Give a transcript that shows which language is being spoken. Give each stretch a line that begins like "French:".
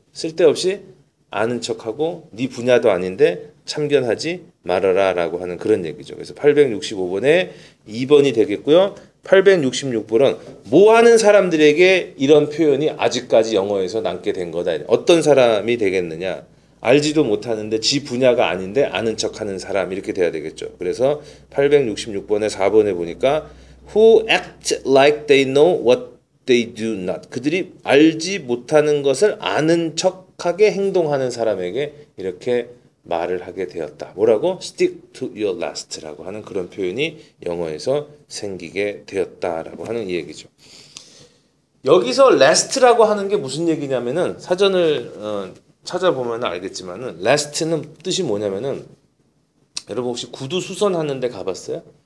Korean: 쓸데없이 아는 척하고 네 분야도 아닌데 참견하지 말아라라고 하는 그런 얘기죠. 그래서 865번에 2번이 되겠고요. 866번은 뭐 하는 사람들에게 이런 표현이 아직까지 영어에서 남게 된 거다. 어떤 사람이 되겠느냐? 알지도 못하는데 지 분야가 아닌데 아는 척하는 사람 이렇게 돼야 되겠죠. 그래서 866번에 4번에 보니까
English: who act like they know what they do not.
Korean: 그들이 알지 못하는 것을 아는 척하게 행동하는 사람에게 이렇게 말을 하게 되었다. 뭐라고?
English: Stick to your last
Korean: 라고 하는 그런 표현이 영어에서 생기게 되었다라고 하는 이 얘기죠. 여기서 last라고 하는 게 무슨 얘기냐면은 사전을 찾아보면 알겠지만은 last는 뜻이 뭐냐면은 여러분 혹시 구두 수선하는 데 가봤어요?